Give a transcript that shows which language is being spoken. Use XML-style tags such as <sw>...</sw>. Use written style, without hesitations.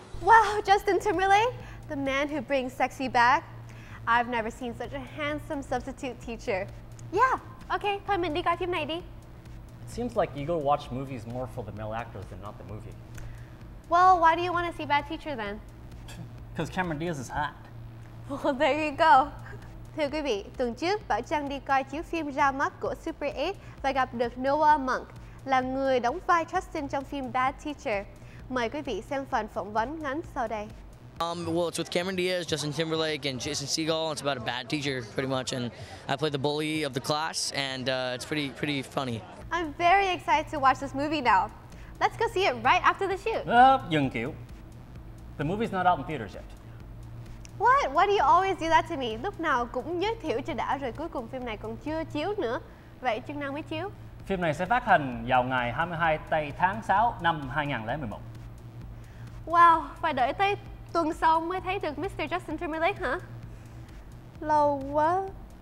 <en>Wow, Justin Timberlake, the man who brings sexy back. I've never seen such a handsome substitute teacher. Yeah, okay, come in, got your 90. Seems like you go watch movies more for the male actors than not the movie. Well, why do you want to see Bad Teacher then? Because Cameron Diaz is hot. Well, there you go.</en> <vi>Thưa quý vị, tuần trước, Bảo Trang đi coi chiếu phim ra mắt của Super 8 và gặp được Noah Monk, là người đóng vai Justin trong phim Bad Teacher. Mời quý vị xem phần phỏng vấn ngắn sau đây.</vi> <en>Well, it's with Cameron Diaz, Justin Timberlake, and Jason Segel. It's about a bad teacher, pretty much. And I play the bully of the class, and it's pretty funny. I'm very excited to watch this movie now. Let's go see it right after the shoot. Young Kyu. The movie's not out in theaters yet. What? Why do you always do that to me?</en> <vi>Lúc nào cũng giới thiệu cho đã rồi cuối cùng phim này còn chưa chiếu nữa. Vậy chừng nào mới chiếu? Phim này sẽ phát hành vào ngày 22 tây tháng 6 năm 2011. Wow, phải đợi tới tuần sau mới thấy được Mr. Justin Timberlake hả? Lâu quá.</vi>